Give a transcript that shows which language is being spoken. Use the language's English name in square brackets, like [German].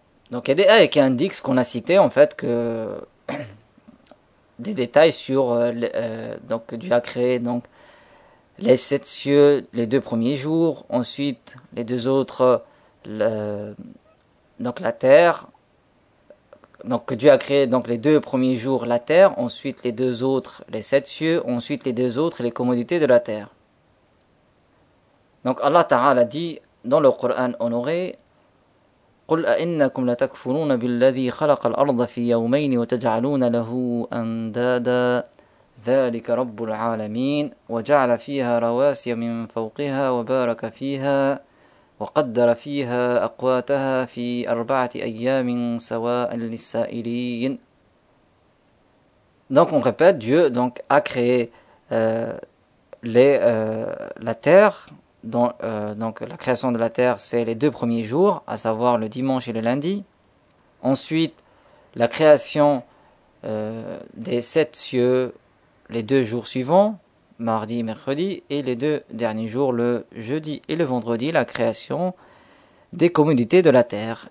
[French] Donc il y a des ayats qui indiquent ce qu'on a cité en fait que des détails sur donc Dieu a créé donc les sept cieux les deux premiers jours, ensuite les deux autres donc la terre, donc que Dieu a créé donc les deux premiers jours la terre, ensuite les deux autres les sept cieux, ensuite les deux autres les commodités de la terre. Donc Allah Ta'ala a dit dans le Coran honoré: [Arabic] قل أئنكم لتكفرون بالذي خلق الأرض في يومين وتجعلون له أندادا ذلك رب العالمين وجعل فيها رواسي من فوقها وبارك فيها وقدر فيها أقواتها في أربعة أيام سواء للسائلين. [French] Donc on répète, Dieu donc a créé la terre. Donc la création de la terre, c'est les deux premiers jours, à savoir le dimanche et le lundi. Ensuite, la création des sept cieux, les deux jours suivants, mardi et mercredi, et les deux derniers jours, le jeudi et le vendredi, la création des commodités de la terre.